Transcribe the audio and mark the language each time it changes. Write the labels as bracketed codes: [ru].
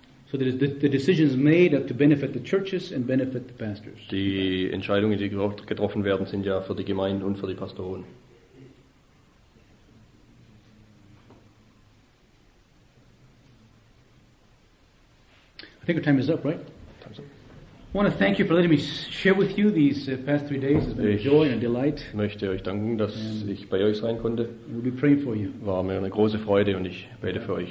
[en] So the decisions made are to benefit the churches and benefit the pastors. [de] Die Entscheidungen, die getroffen werden, sind ja für die Gemeinden und für die Pastoren. [en] I think our time is up, right? Time's up. I want to thank you for letting me share with you these past 3 days. It's been a joy and a delight. [de] Ich möchte euch danken, dass ich bei euch sein konnte. [en] We'll be praying for you. [de] War mir eine große Freude und ich bete für euch.